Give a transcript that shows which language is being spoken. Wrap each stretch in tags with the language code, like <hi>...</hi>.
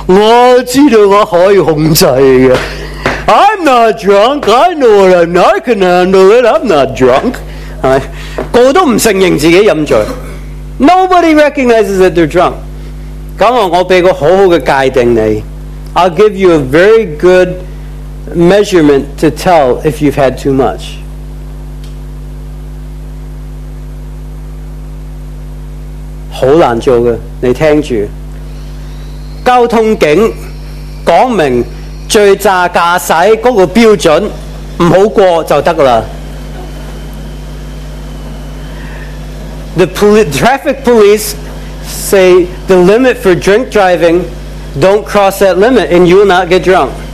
<zh>他一定说你,我没醉啊,我有分寸啊,我知道我可以控制的。</zh> <en>I'm not drunk, I know what I'm not, I can handle it, I'm not drunk.</en> <zh>个个都不承认自己喝醉。</zh> <en>Nobody recognizes that they're drunk.</en> <zh>那我给个好好的界定你,</zh> <en>I'll give you a very good measurement to tell if you've had too much.</en> <zh>很难做的,你听着。交通警讲明醉驾驾驶那个标准,不要过就可以了。</zh> <en>The traffic police say the limit for drink driving, don't cross that limit and you will not get drunk.</en>